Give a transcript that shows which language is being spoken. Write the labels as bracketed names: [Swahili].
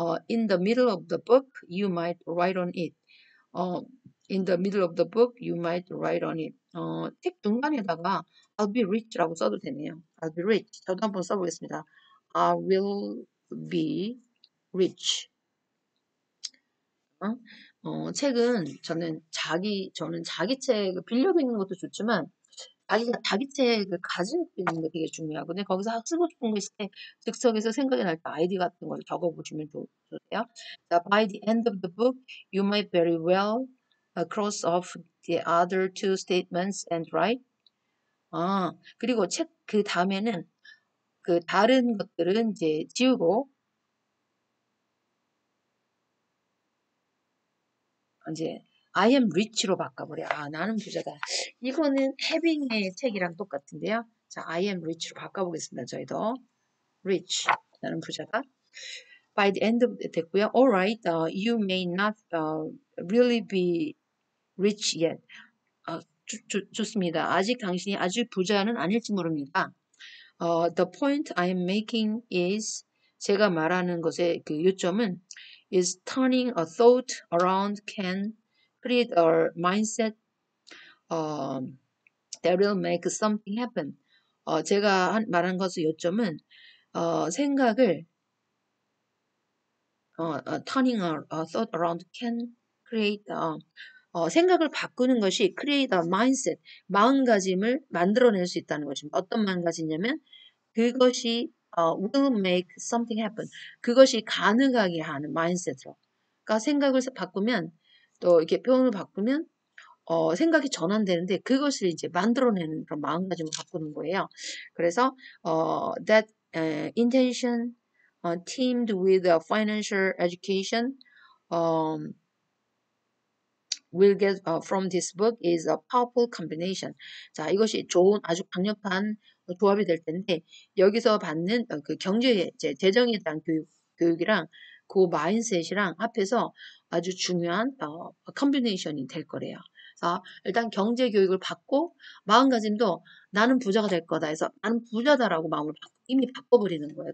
[English] In the middle of the book, you might write on it. In the middle of the book, you might write on it. [Korean] 책 중간에다가 [English] I'll be rich [Korean] 라고 써도 되네요. [English] I'll be rich. [Korean] 저도 한번 써보겠습니다. [English] I will be rich. [Korean] 책은 저는 자기 책을 빌려 읽는 것도 좋지만 자기가 자기 책을 가지고 읽는 게 되게 중요하거든요. 거기서 쓰고 싶은 거 있을 때 즉석에서 생각이 날 때 아이디 같은 걸 적어 보시면 좋으세요. [English] By the end of the book, you might very well cross off the other two statements and write. [Korean] 그리고 책 그 다음에는 그 다른 것들은 이제 지우고. 이제 [English] I am rich [Korean] 로 바꿔버려. 나는 부자다. 이거는 having의 책이랑 똑같은데요. 자, I am rich로 바꿔보겠습니다. 저희도 rich. 나는 부자다. [English] By the end of [Korean] 됐고요. [English] All right, you may not really be rich yet. [Korean] 좋습니다. 아직 당신이 아주 부자는 아닐지 모릅니다. [English] The point I'm making is [Korean] 제가 말하는 것의 그 요점은 [English] is turning a thought around can create a mindset that will make something happen. [Korean] 제가 말한 것의 요점은 생각을 [English] turning a thought around can create a [Korean] 생각을 바꾸는 것이 [English] create a mindset, [Korean] 마음가짐을 만들어낼 수 있다는 것입니다. 어떤 마음가짐이냐면 그것이 [English] will make something happen. [Korean] 그것이 가능하게 하는 마인셋으로. 그러니까 생각을 바꾸면 또 이렇게 표현을 바꾸면 생각이 전환되는데 그것을 이제 만들어내는 그런 마음가짐을 바꾸는 거예요. 그래서 [English] that intention teamed with a financial education we'll get from this book is a powerful combination. [Korean] 자, 이것이 좋은 아주 강력한 조합이 될 텐데 여기서 받는 그 경제 재정에 대한 교육이랑 그 마인셋이랑 합해서 아주 중요한 컴비네이션이 될 거래요. 그래서 일단 경제 교육을 받고 마음가짐도 나는 부자가 될 거다 해서 나는 부자다라고 마음을 이미 바꿔버리는 거예요.